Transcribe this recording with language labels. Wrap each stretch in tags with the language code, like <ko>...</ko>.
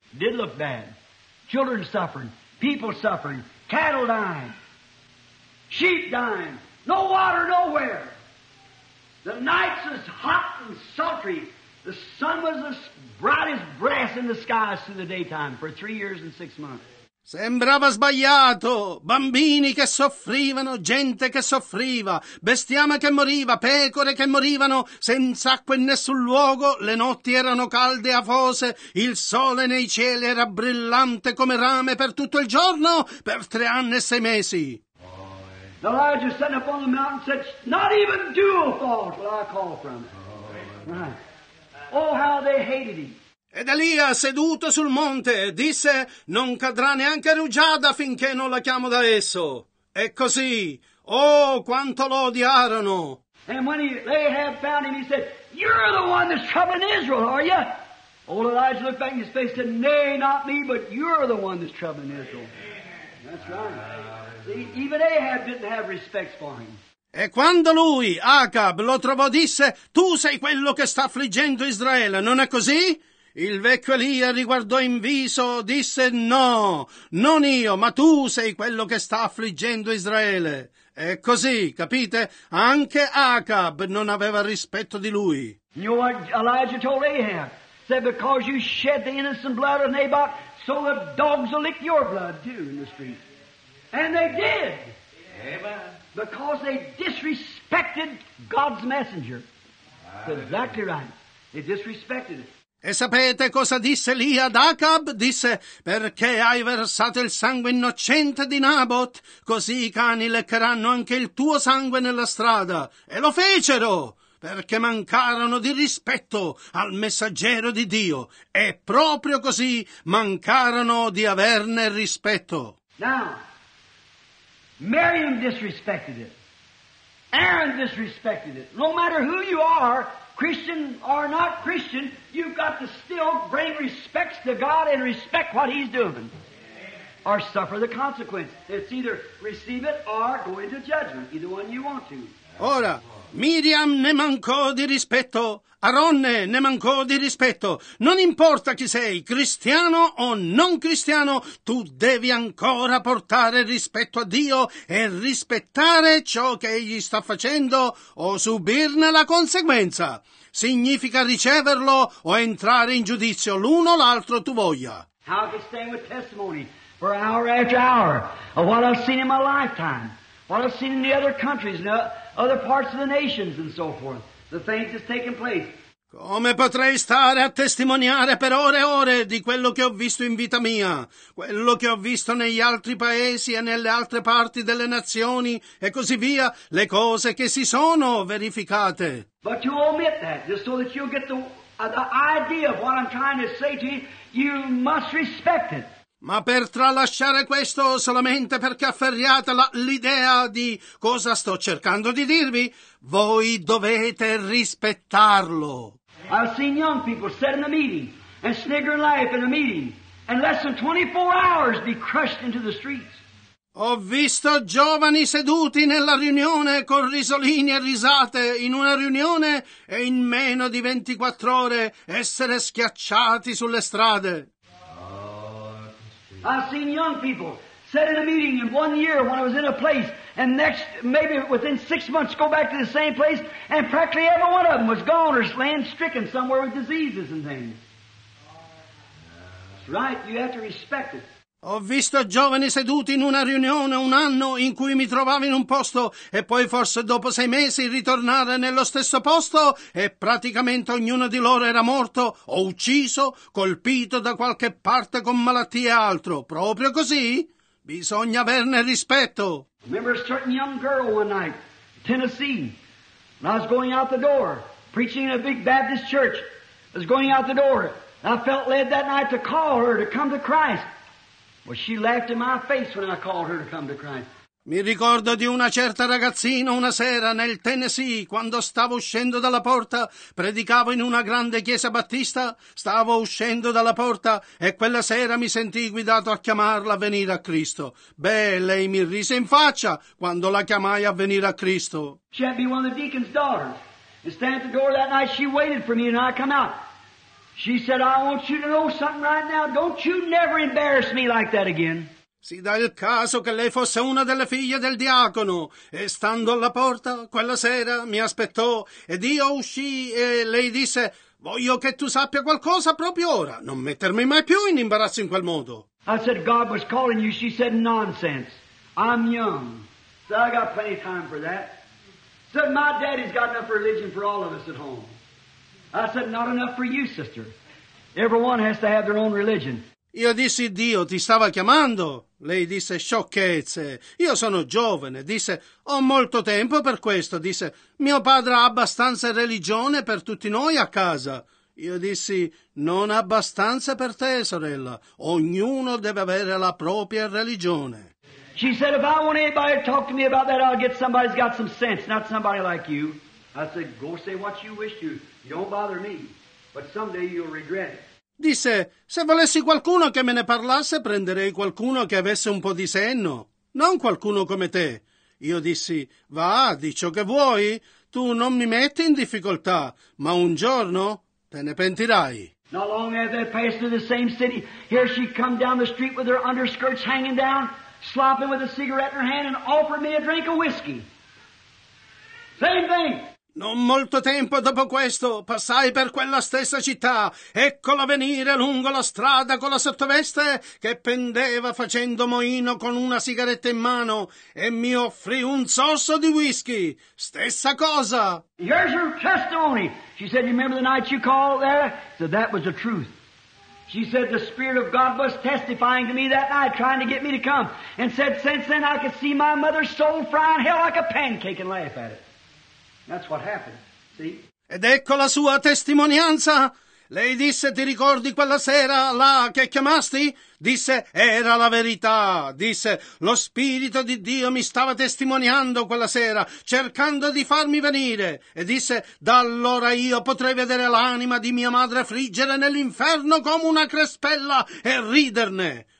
<en>Did look bad. Children suffering, people suffering, cattle dying, sheep dying, no water nowhere. The nights was hot and sultry. The sun was as bright as brass in the skies through the daytime for 3 years and 6 months.</en> <it>Sembrava sbagliato. Bambini che soffrivano, gente che soffriva, bestiame che moriva, pecore che morivano senza acqua in nessun luogo. Le notti erano calde e afose. Il sole nei cieli era brillante come rame per tutto il giorno per 3 anni e 6 mesi.</it> <en>Elijah sat up on the mountain and said, not even dew will fall till I call from it. Oh, how they hated him.</en> <it>Ed Elia, seduto sul monte, disse, non cadrà neanche rugiada finché non la chiamo da esso. E così, oh, quanto lo odiarono.</it> <en>And when Ahab found him, he said, you're the one that's troubling Israel, are you? Old Elijah looked back in his face and said, nay, not me, but you're the one that's troubling Israel. That's right. Even Ahab didn't have respect for him.</en> <it>E quando lui, Acab, lo trovò, disse, tu sei quello che sta affliggendo Israele, non è così? Il vecchio Elia riguardò in viso, disse, no, non io, ma tu sei quello che sta affliggendo Israele. E così, capite? Anche Acab non aveva rispetto di lui.</it> <en>You know what Elijah told Ahab? Said, because you shed the innocent blood of Naboth, so the dogs will lick your blood too in the street. And they did. Amen. Because they disrespected God's messenger. That's exactly right. They disrespected it.</en> <it>E sapete cosa disse lì ad Acab? Disse, perché hai versato il sangue innocente di Naboth? Così i cani leccheranno anche il tuo sangue nella strada. E lo fecero, perché mancarono di rispetto al messaggero di Dio. E proprio così mancarono di averne rispetto.</it> <en>Now, Miriam disrespected it. Aaron disrespected it. No matter who you are, Christian or not Christian, you've got to still bring respect to God and respect what he's doing. Or suffer the consequence. It's either receive it or go into judgment. Either one you want to.</en> <it>Ora, Miriam ne mancò di rispetto. Aronne ne mancò di rispetto. Non importa chi sei, cristiano o non cristiano, tu devi ancora portare rispetto a Dio e rispettare ciò che egli sta facendo o subirne la conseguenza. Significa riceverlo o entrare in giudizio, l'uno o l'altro tu voglia.</it> <en>How can stay with testimony for hour after hour of what I've seen in my lifetime, what I've seen in the other countries, in the other parts of the nations and so forth. The things that's taking place.</en> <it>Come potrei stare a testimoniare per ore e ore di quello che ho visto in vita mia, quello che ho visto negli altri paesi e nelle altre parti delle nazioni e così via, le cose che si sono verificate.</it> <en>But you omit that just so that you'll get the idea of what I'm trying to say to you, you must respect it.</en> <it>Ma per tralasciare questo, solamente perché afferriate l'idea di cosa sto cercando di dirvi, voi dovete rispettarlo.</it> <en>I've seen young people sit in a meeting and snigger life in a meeting and less than 24 hours be crushed into the streets.</en> <it>Ho visto giovani seduti nella riunione con risolini e risate in una riunione e in meno di 24 ore essere schiacciati sulle strade.</it> <en>I've seen young people sit in a meeting in one year when I was in a place and next, maybe within 6 months, go back to the same place and practically every one of them was gone or land stricken somewhere with diseases and things. That's right, you have to respect it.</en> <it>Ho visto giovani seduti in una riunione un anno in cui mi trovavo in un posto e poi forse dopo 6 mesi ritornare nello stesso posto e praticamente ognuno di loro era morto o ucciso, colpito da qualche parte con malattie e altro. Proprio così? Bisogna averne rispetto.</it> <en>Remember a certain young girl one night, Tennessee, and I was going out the door, preaching in a big Baptist church. I was going out the door, and I felt led that night to call her to come to Christ. Well, she laughed in my face when I called her to come to Christ.</en> <it>Mi ricordo di una certa ragazzina una sera nel Tennessee, quando stavo uscendo dalla porta, predicavo in una grande chiesa battista, stavo uscendo dalla porta e quella sera mi sentii guidato a chiamarla a venire a Cristo. Beh, lei mi rise in faccia quando la chiamai a venire a Cristo.</it> <en>She had been one of the deacon's daughters. And stand at the door that night, she waited for me and I come out. She said, I want you to know something right now. Don't you never embarrass me like that again.</en> <it>Si dà il caso che lei fosse una delle figlie del diacono e stando alla porta quella sera mi aspettò ed io uscii e lei disse, voglio che tu sappia qualcosa proprio ora. Non mettermi mai più in imbarazzo in quel modo.</it> <en>I said, God was calling you. She said, nonsense. I'm young. So I got plenty of time for that. So my daddy's got enough religion for all of us at home. I said, not enough for you, sister. Everyone has to have their own religion.</en> <it>Io dissi, Dio ti stava chiamando. Lei disse, sciocchezze. Io sono giovane. Disse, ho molto tempo per questo. Disse, mio padre ha abbastanza religione per tutti noi a casa. Io dissi, non abbastanza per te, sorella. Ognuno deve avere la propria religione.</it> <en>She said, if I want anybody to talk to me about that, I'll get somebody who's got some sense, not somebody like you. I said, go say what you wish to. Don't bother me, but someday you'll regret it.</en> <it>Disse, se volessi qualcuno che me ne parlasse, prenderei qualcuno che avesse un po' di senno, non qualcuno come te. Io dissi, va, di ciò che vuoi, tu non mi metti in difficoltà, ma un giorno te ne pentirai.</it> <en>Not long after they passed through the same city, here she come down the street with her underskirts hanging down, slopping with a cigarette in her hand and offered me a drink of whiskey. Same thing.</en> <it>Non molto tempo dopo questo, passai per quella stessa città. Eccola venire lungo la strada con la sottoveste che pendeva facendo moino con una sigaretta in mano e mi offrì un sorso di whisky. Stessa cosa.</it> <en>Here's her testimony. She said, you remember the night you called there? So that was the truth. She said, the Spirit of God was testifying to me that night, trying to get me to come. And said, since then I could see my mother's soul fry in hell like a pancake and laugh at it. That's what happened, see?</en> <it>Ed ecco la sua testimonianza. Lei disse, ti ricordi quella sera là che chiamasti? Disse, era la verità. Disse, lo Spirito di Dio mi stava testimoniando quella sera, cercando di farmi venire. E disse, da allora io potrei vedere l'anima di mia madre friggere nell'inferno come una crespella e riderne.</it>